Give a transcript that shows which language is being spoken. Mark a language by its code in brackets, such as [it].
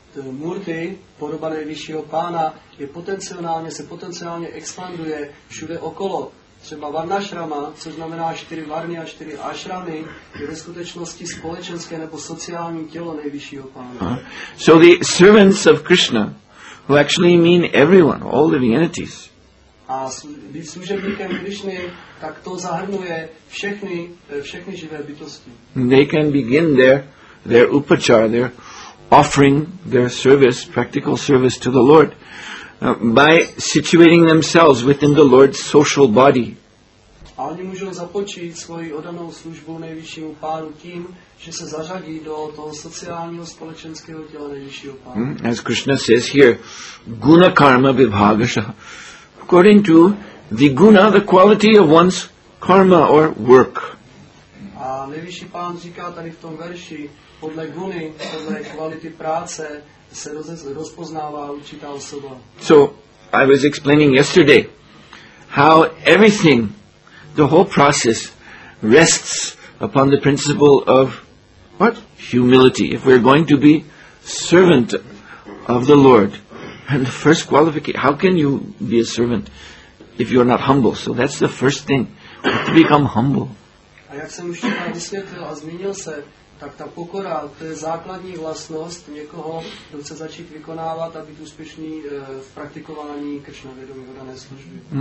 [cs] Murti, podoba nejvyššího pána, se potenciálně expanduje všude okolo. Třeba Varnašrama, což znamená čtyři varny a čtyři ašramy, je ve skutečnosti společenské nebo sociální tělo nejvyššího pána. [en] So the servants of Krishna, who actually mean everyone, all living entities. [cs] A být služebníkem Krishny, tak to zahrnuje všechny živé bytosti. [en] They can begin their upachara, their offering their service, practical service to the Lord, by situating themselves within the Lord's social body. [cs] A oni můžou započít svoji odanou službu nejvyššímu pánu tím, že se zařadí do toho sociálního společenského těla nejvyššího pánu. [en] As Krishna says here, [sa] guna karma vibhagasha. [en] According to the guna, the quality of one's karma or work. [cs] A nejvyšší pán říká tady v tom verši, podle guny, podle kvality práce se rozpoznává určitá osoba. [en] So, I was explaining yesterday how everything, the whole process, rests upon the principle of what? Humility. If we're going to be servant of the Lord, and the first qualification, how can you be a servant if you're not humble? So that's the first thing, to become humble. [cs] A jak jsem už tady vysvětlil a zmínil se, tak ta pokora, to je základní vlastnost někoho, kdo chce začít vykonávat a být úspěšný v praktikování Krishnavědomí v dané služby.